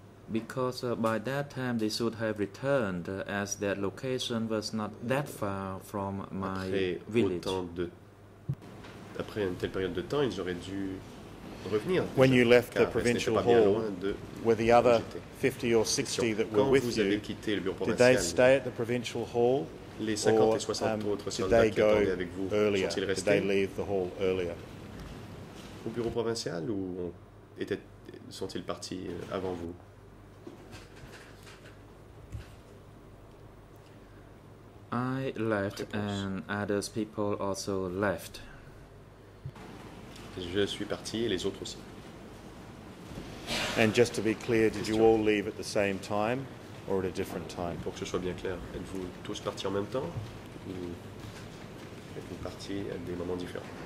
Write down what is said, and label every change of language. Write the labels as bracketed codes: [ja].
[en] Because by that time they should have returned, as that location was not that far from my village. [fr] Après une telle période de temps, ils auraient dû revenir. [en] When you left the provincial hall, were the other 50 or 60 that were with you? Did they stay at the provincial hall? [fr] Les 50 et 60 autres soldats qui attendaient avec vous sont-ils restés? [en] Did they leave the hall earlier? [fr] Au bureau provincial ou sont-ils partis avant vous? [en] I left and other people also left. [fr] Je suis parti et les autres aussi. [en] And just to be clear, did you all leave at the same time or at a different time? [fr] Pour que ce soit bien clair, êtes-vous tous partis en même temps ou êtes-vous partis à des moments différents?